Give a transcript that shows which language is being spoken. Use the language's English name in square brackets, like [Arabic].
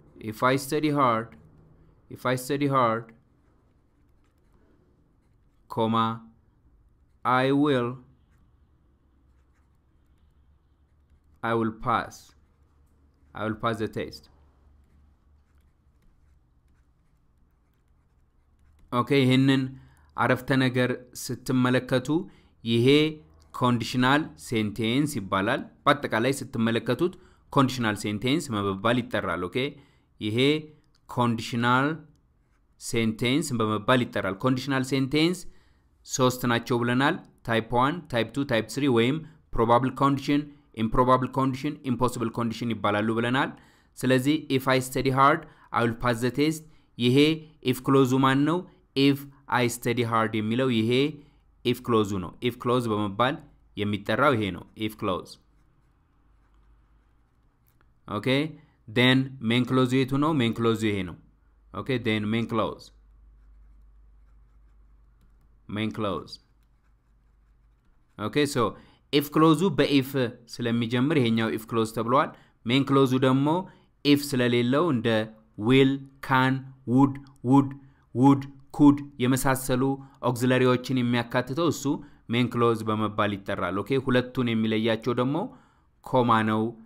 [English] if I study hard if I study hard comma I will pass I will pass the test. [Amharic] ኦኬ ይሄንን አረፍተ ነገር ስትመለከቱ ይሄ conditional sentence ይባላል። በአጠቃላይ ስትመለከቱት conditional sentence በመባል ይጠራል። ኦኬ ይሄ conditional sentence በመባል ይጠራል። conditional sentence 3 ናቸው ብለናል። type 1 type 2 type 3 ወይም probable condition improbable condition impossible condition ይባላሉ ብለናል። ስለዚህ [English] if I study hard I will pass the test [Amharic] ይሄ if clause ማን ነው? [English] if I study hard [Amharic] የሚለው ይሄ [English] if clause ነው። if clause [Amharic] በመባል የሚጠራው ይሄ ነው [English] if clause okay then main clause [Amharic] ይሄቱ ነው [English] main clause ይሄ ነው okay then main clause main clause okay so if clause በ if ስለሚጀምር ይሄኛው if clause ተብሏል main clause ደግሞ if ስለሌለው እንደ will can would would could የመሳሰሉ auxiliaryዎችን የሚያካትተው እሱ main clause በመባል ይጠራል okay [Amharic] ሁለቱን የሚለያቸው ደግሞ ኮማ ነው